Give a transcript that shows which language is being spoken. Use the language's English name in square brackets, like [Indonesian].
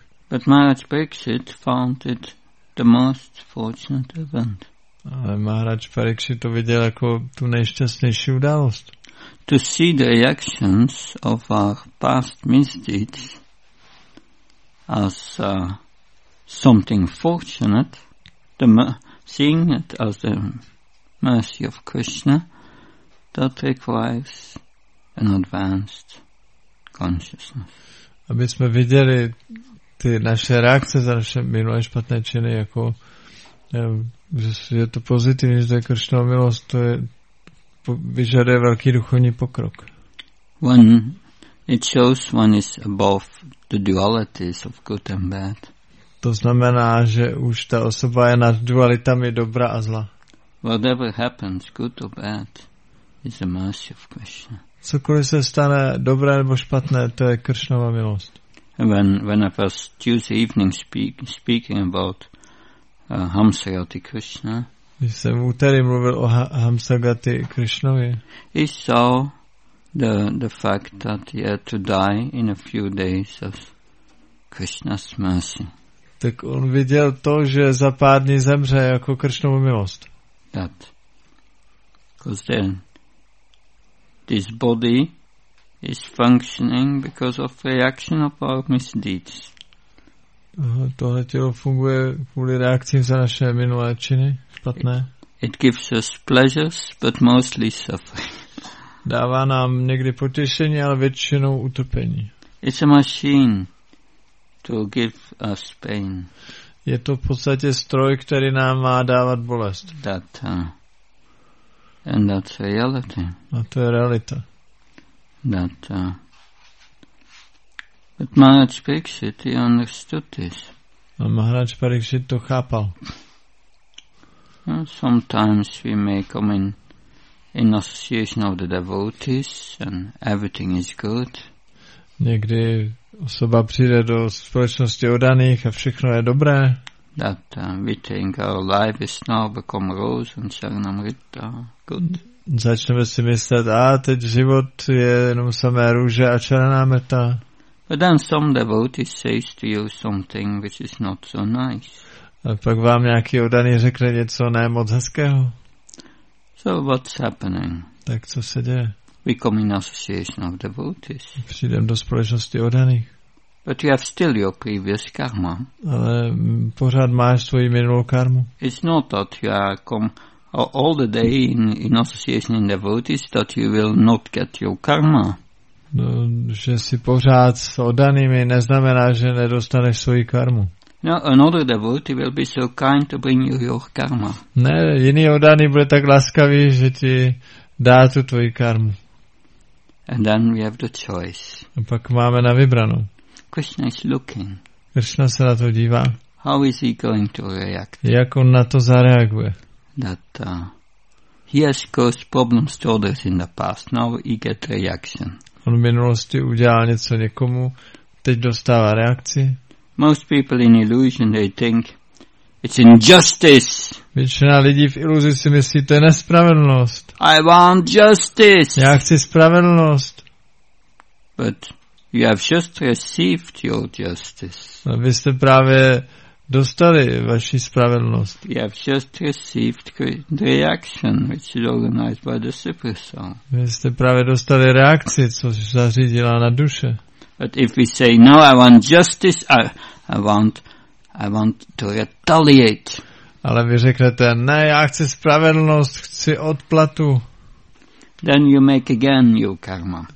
[English] But Maharaj Pariksit found it the most fortunate event. [Czech] Ale Maharaj Pariksit to viděl jako tu nejšťastnější událost. [English] To see the reactions of our past misdeeds as something fortunate, seeing it as the mercy of Krishna, that requires an advanced consciousness. [Czech] Aby jsme viděli ty naše reakce za naše minulé špatné činy, jako že to pozitivní, že to je Krišnova milost, to je, vyžaduje velký duchovní pokrok. [English] When it shows one is above the dualities of good and bad. [Czech] To znamená, že už ta osoba je nad dualitami dobra a zla. [English] Whatever happens, good or bad, is the mercy of Krishna. [Czech] Cokoliv se stane dobré nebo špatné, to je Krišnova milost. [English] When I was Tuesday evening speaking about Hamsagati Krishna, [Czech] když jsem v úterý mluvil o Hamsagati Krishnovi, [English] he saw the fact that he had to die in a few days of Krishna's mercy. [Czech] Tak on viděl to, že za pár dní zemře jako Krishnovu milost. [English] That. Because then this body is functioning because of reaction of our misdeeds. [Czech] Tohle tělo funguje kvůli reakci za naše minulé činy, špatné. [English] It gives us pleasures, but mostly suffering. [Czech] Dává nám někdy potěšení, ale většinou utrpení. [English] It's a machine to give us pain. [Czech] Je to v podstatě stroj, který nám má dávat bolest. [English] That, and that's reality. [Czech] A to je realita. [English] That but Maharaj Pariksit, he understood this. [Czech] A Maharaj Pariksit to chápal. [English] Sometimes we may come in association of the devotees and everything is good. [Czech] Někdy osoba přijde do společnosti oddaných a všechno je dobré. [English] That we think our life is now become rose and charanamrita, good. [Czech] Začneme si myslet, teď život je jenom samé růže a černá meta. [English] But then some devotee says to you something which is not so nice. [Czech] A pak vám nějaký oddaný řekne něco ne moc hezkého. [English] So what's happening? [Czech] Tak co se děje? [English] We come in association of devotees. [Czech] Přijdem do společnosti oddaných. [English] But you have still your previous karma. [Czech] Ale pořád máš svoji minulou karmu. [English] It's not that you are all the day in association in devotees that you will not get your karma. [Czech] No, že si pořád s oddanými neznamená, že nedostaneš svoji karmu. [English] No, another devotee will be so kind to bring you your karma. [Czech] Ne, jiný oddaný bude tak laskavý, že ti dá tu tvoji karmu. [English] And then we have the choice. [Czech] A pak máme na vybranou. [English] Krishna is looking. [Czech] Krishna se na to dívá. [English] How is he going to react? [Czech] Jak on na to zareaguje? [English] that he has caused problems to others in the past. Now he get reaction. [Czech] On v minulosti udělal něco někomu, teď dostává reakci. [English] Most people in illusion, they think it's injustice. [Czech] Většina lidí v iluzi si myslí, to je nespravedlnost. [English] I want justice. [Czech] Já chci spravedlnost. [English] But you have just received your justice. [Czech] Vy jste právě dostali vaši spravedlnost. [English] You have just received the reaction, which is organized by the super soul. [Czech] Vy jste právě dostali reakci, což zařídila na duše. [English] But if we say no, I want justice, I want to retaliate. [Czech] Ale vy řeknete, ne, já chci spravedlnost, chci odplatu. [English] Then you make again your karma.